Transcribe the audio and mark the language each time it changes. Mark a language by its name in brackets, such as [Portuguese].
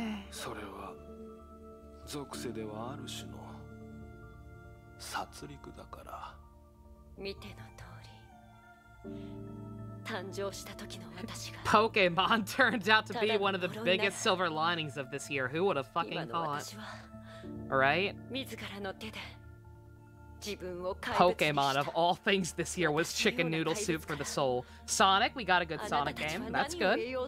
[Japanese] それは属性ではある種の殺戮だから。見ての通り、誕生した時の私が。 [English] Pokemon turned out to be one of the biggest silver linings of this year. Who would have fucking thought? Right? [Japanese] 自らの手で自分を怪物にした。 [English] Pokemon of all things this year was chicken noodle soup for the soul. Sonic, we got a good Sonic game. That's good.